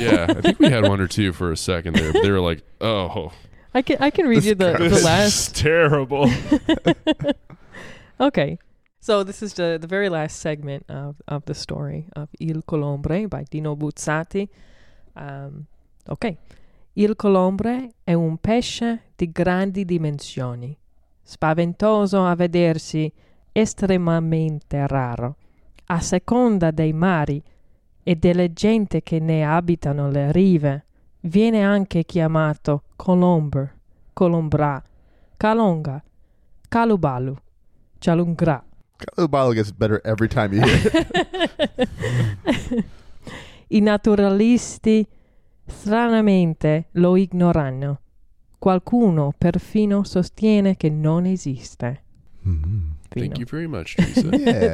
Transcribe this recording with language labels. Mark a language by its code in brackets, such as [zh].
[en] Yeah, I think we had one or two for a second there. But they were like, oh. I can read you the last. This is terrible. Okay. So this is the very last segment of the story of Il Colombre by Dino Buzzati. Okay. [it] Il Colombre è un pesce di grandi dimensioni. Spaventoso a vedersi, estremamente raro. A seconda dei mari e delle gente che ne abitano le rive, viene anche chiamato Colomber, Colombra, Calonga, Calubalu, Chalungra. [en] Calubalu gets better every time you hear it. [it] I naturalisti stranamente lo ignorano. Qualcuno perfino sostiene che non esiste. [en] Mm-hmm. Thank you very much, Teresa.